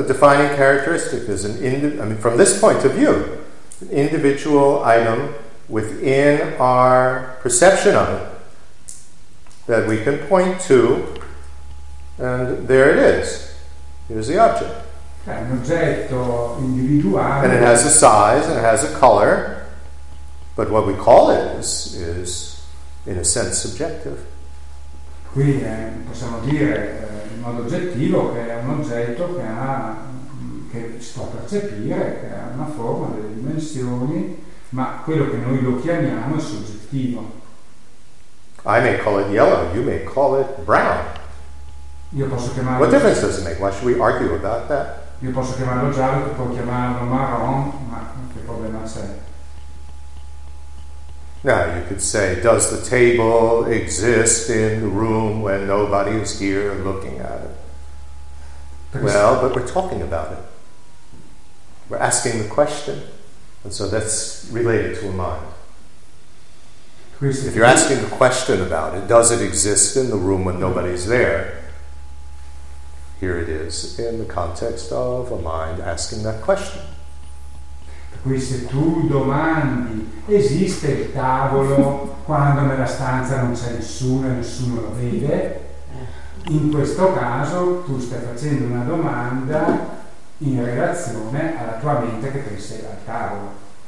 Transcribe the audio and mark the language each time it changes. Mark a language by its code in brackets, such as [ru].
[en] A defining characteristic is from this point of view, an individual item within our perception of it that we can point to, and there it is. Here's the object. [it] Un oggetto individuale. [en] And it has a size and it has a color. But what we call it is in a sense subjective. [it] Quindi possiamo dire in modo oggettivo che è un oggetto che ha, che si può percepire, che ha una forma, delle dimensioni, ma quello che noi lo chiamiamo è soggettivo. [en] I may call it yellow, you may call it brown. [it] Io posso chiamarlo. [en] What difference does it make? Why should we argue about that? [it] Io posso chiamarlo giallo, tu puoi chiamarlo marron, ma che problema c'è? [en] Now you could say, does the table exist in the room when nobody is here looking at it? Well, but we're talking about it. We're asking the question. And so that's related to a mind. If you're asking a question about it, does it exist in the room when nobody's there? Here it is in the context of a mind asking that question. [it] Quindi se tu domandi esiste il tavolo quando nella stanza non c'è nessuno e nessuno lo vede, in questo caso tu stai facendo una domanda in relazione alla tua mente che pensa al tavolo.